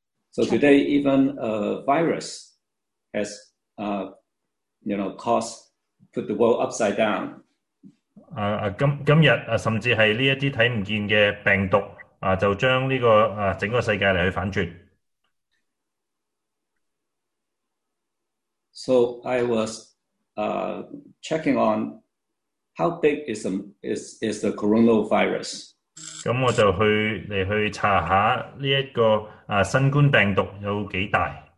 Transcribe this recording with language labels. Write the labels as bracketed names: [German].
[English] So today, even a virus has, put the world upside down. [Chinese] 今日甚至是这些看不见的病毒，就将整个世界来反转。 [English] So I was checking on how big is the coronavirus. [Chinese] 我就去查一下这个新冠病毒有多大。